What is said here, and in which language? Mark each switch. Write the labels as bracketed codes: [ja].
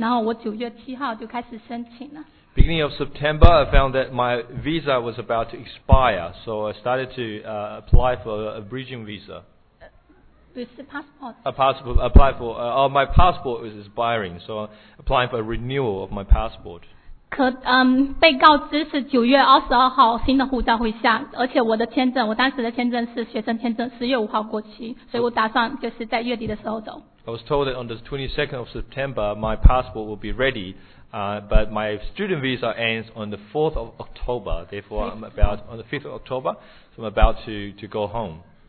[zh] 但是9月初的时候，我发现我的护照过期，然后我9月7号就开始申请了。 [en] Beginning of September, I found that my visa was about to expire, so I started to apply for a bridging visa. My passport was expiring, so I'm applying for a renewal of my passport. [zh] 被告知是9月22号新的护照会下，而且我的签证，我当时的签证是学生签证，10月5号过期，所以我打算就是在月底的时候走。 [en] I was told that on the 22nd of September, my passport will be ready. But my student visa ends on the 4th of October, therefore I'm about on the 5th of October, so I'm about to go home.